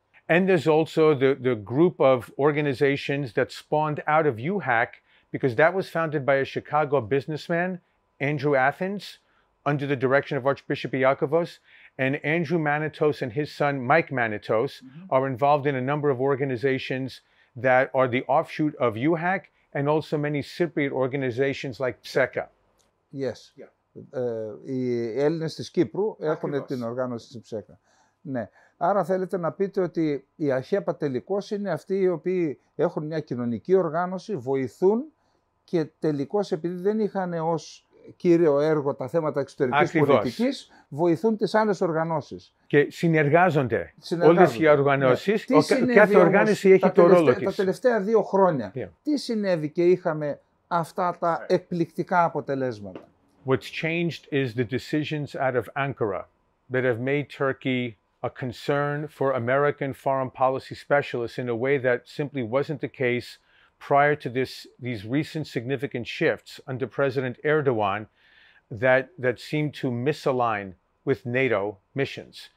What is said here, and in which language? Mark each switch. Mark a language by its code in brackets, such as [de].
[en] And there's also the group of organizations that spawned out of UHAC, because that was founded by a Chicago businessman, Andrew Athens, under the direction of Archbishop Iakovos. And Andrew Manitos and his son, Mike Manitos, mm-hmm. are involved in a number of organizations that are the offshoot of UHAC and also many Cypriot organizations like PSECA. Yes. Yeah. [el] Οι Έλληνες της Κύπρου έχουν την οργάνωση της PSECA. Ναι. Άρα θέλετε να πείτε ότι η ΑΧΕΠΑ τελικώς είναι αυτοί οι οποίοι έχουν μια κοινωνική οργάνωση, βοηθούν και τελικώς επειδή δεν είχαν ως κύριο έργο τα θέματα εξωτερικής πολιτικής, βοηθούν τις άλλες οργανώσεις. Και συνεργάζονται, όλες οι οργανώσεις, κάθε οργάνωση έχει το ρόλο της. Τα τελευταία δύο χρόνια, τι συνέβη και είχαμε αυτά τα εκπληκτικά αποτελέσματα. [en] What's changed is the decisions out of Ankara that have made Turkey a concern for American foreign policy specialists in a way that simply wasn't the case prior to these recent significant shifts under President Erdogan that seemed to misalign with NATO missions.